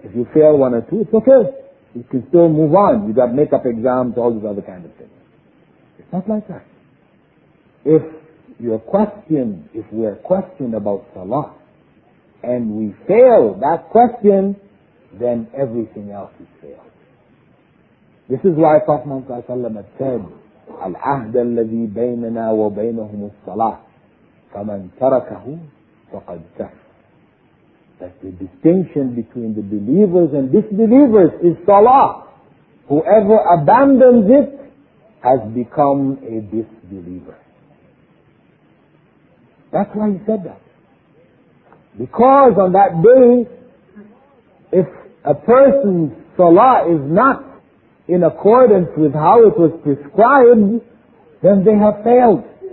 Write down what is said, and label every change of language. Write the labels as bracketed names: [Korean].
[English] If you fail one or two, it's okay. You can still move on. You got make-up exams, all these other kind of things. It's not like that. If you're questioned, if we're questioned about Salah, and we fail that question, then everything else is failed. This is why Prophet Muhammad said, [Arabic] الْعَهْدَ الَّذِي بَيْنَنَا وَبَيْنَهُمُ الصَّلَاةِ فَمَنْ تَرَكَهُ فَقَدْ كَفْرَ. [English] That the distinction between the believers and disbelievers is salah. Whoever abandons it has become a disbeliever. That's why he said that. Because on that day, if a person's salah is not in accordance with how it was prescribed, then they have failed.